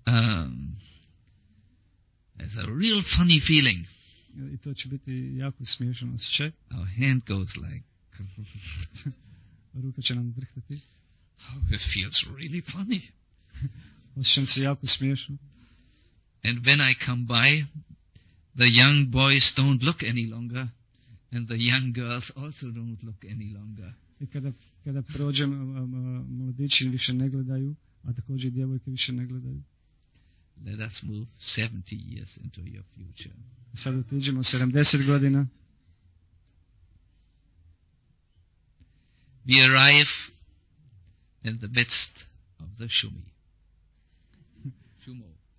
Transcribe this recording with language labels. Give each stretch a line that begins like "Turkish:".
English: There's a real funny feeling.
Croatian: I to će biti jako smiješan osjećaj.
English: Our hand goes like...
Croatian: Ruka će nam drhtati.
English: Oh, it feels really funny.
Croatian: Osjećam se jako smiješan.
English: And when I come by, the young boys don't look any longer, and the young girls also don't look any longer.
Croatian: I kada prođem, mladići više ne gledaju, a također djevojke više ne gledaju.
English: Let us move 70 years into your future.
Croatian: Sad otiđemo 70 godina.
English: We arrive in the midst of the Shumi. Shumo.